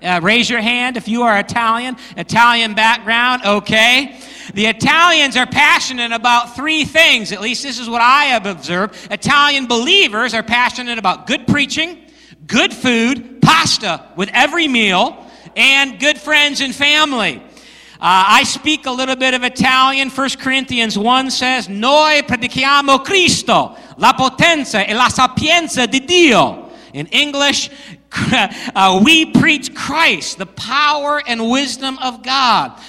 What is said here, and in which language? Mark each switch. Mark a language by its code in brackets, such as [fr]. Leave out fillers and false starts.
[en] Raise your hand if you are Italian. Italian background, okay. The Italians are passionate about 3 things. At least this is what I have observed. Italian believers are passionate about good preaching, good food, pasta with every meal, and good friends and family. I speak a little bit of Italian. 1 Corinthians 1 says, [it] Noi predichiamo Cristo, la potenza e la sapienza di Dio. [en] In English, we preach Christ, the power and wisdom of God.